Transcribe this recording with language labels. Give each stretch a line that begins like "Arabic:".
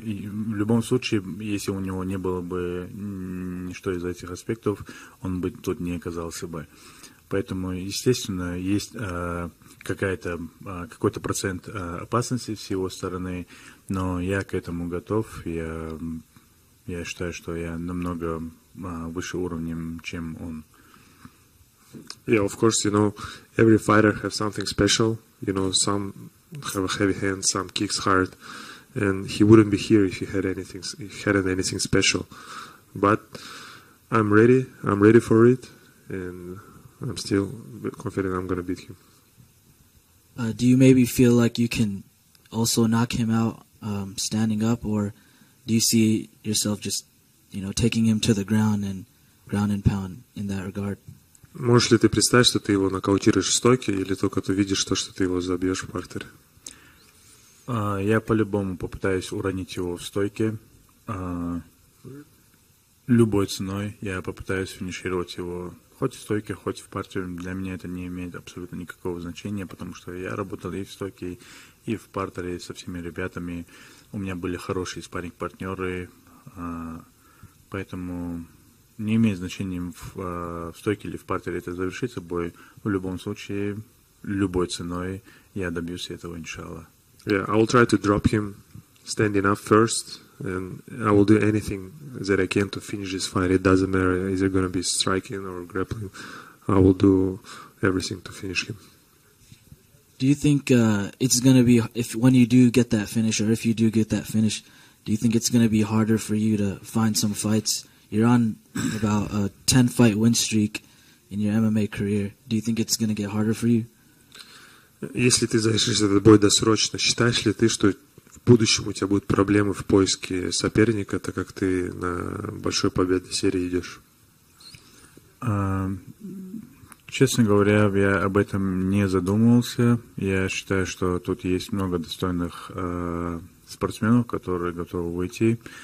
Russian: И в любом случае, если у него не было бы ничто из этих аспектов, он бы тут не оказался бы. Поэтому, естественно, есть какой-то процент опасности с его стороны, но я к этому готов. Я считаю, что я намного выше уровнем, чем он.
English: Yeah, of course, you know, every fighter have something special. You know, some have a heavy hand, some kicks hard, and he wouldn't be here if he had anything, if he hadn't anything special. But I'm ready for it, and I'm still confident I'm going to beat him. Do you maybe feel like you can also knock him out standing up, or do you see yourself just, you know, taking him to the ground and pound in that regard?
Russian: Можешь ли ты представить, что ты его нокаутируешь в стойке, или только ты видишь то, что ты его забьешь в партере? Я по-любому попытаюсь уронить его в стойке. Любой ценой я попытаюсь финишировать его хоть в стойке, хоть в партере. Для меня это не имеет абсолютно никакого значения, потому что я работал и в стойке, и в партере со всеми ребятами. У меня были хорошие спарринг-партнеры, поэтому... Не имеет значения, в стойке или в партере это завершится бой. В любом случае, любой ценой я добьюсь этого, иншалла.
English: Yeah, I will try to drop him standing up first, and I will do anything that I can to finish this fight. It doesn't matter, is it going to be striking or grappling. I will do everything to finish him. Do you think it's going to be, if when you do get that finish, or if you do get that finish, do you think it's going to be harder for you to find some fights? You're on about a 10-fight win streak in your MMA career. Do you think it's going to get harder for you?
Russian: Если ты завершишь этот бой досрочно, считаешь ли ты, что в будущем у тебя будут проблемы в поиске соперника, так как ты на большой победной серии идешь? Честно говоря, я об этом не задумывался. Я считаю, что тут есть много достойных спортсменов, которые готовы выйти.